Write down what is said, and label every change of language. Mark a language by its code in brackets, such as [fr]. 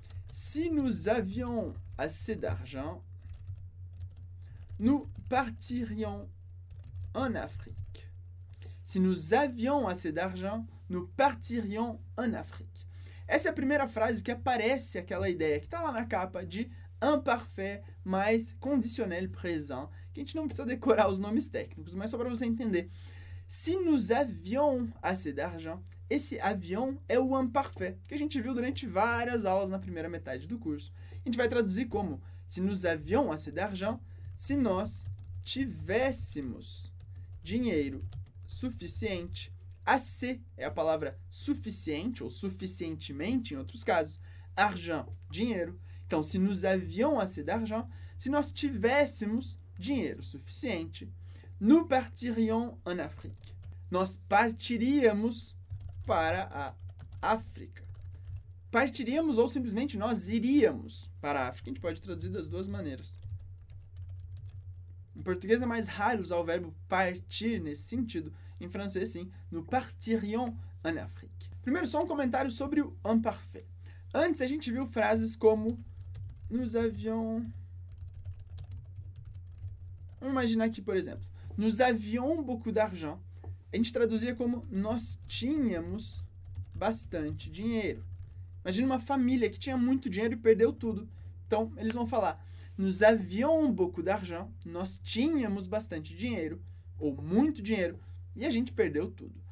[fr] Si nous avions assez d'argent, nous partirions en Afrique. Si nous avions assez d'argent, nous partirions en Afrique. [pt] Essa é a primeira frase que aparece aquela ideia que está lá na capa de imparfait mais conditionnel présent, que a gente não precisa decorar os nomes técnicos, mas só para você entender. [fr] Si nous avions assez d'argent, [pt] esse avion é o imparfait, que a gente viu durante várias aulas na primeira metade do curso. A gente vai traduzir como, [fr] si nous avions assez d'argent, [pt] se nós tivéssemos dinheiro suficiente, assez é a palavra suficiente ou suficientemente em outros casos, argent, dinheiro. Então, se [fr] nous avions assez d'argent, [pt] se nós tivéssemos dinheiro suficiente, [fr] nous partirions en Afrique. [pt] Nós partiríamos para a África. Partiríamos ou simplesmente nós iríamos para a África. A gente pode traduzir das duas maneiras. Em português é mais raro usar o verbo partir nesse sentido. Em francês, sim. [fr] Nous partirions en Afrique. [pt] Primeiro, só um comentário sobre o imparfait. Antes, a gente viu frases como nous avions... Vamos imaginar aqui, por exemplo. [fr] Nous avions beaucoup d'argent. [pt] A gente traduzia como nós tínhamos bastante dinheiro. Imagina uma família que tinha muito dinheiro e perdeu tudo. Então, eles vão falar, [fr] nous avions beaucoup d'argent, [pt] nós tínhamos bastante dinheiro, ou muito dinheiro, e a gente perdeu tudo.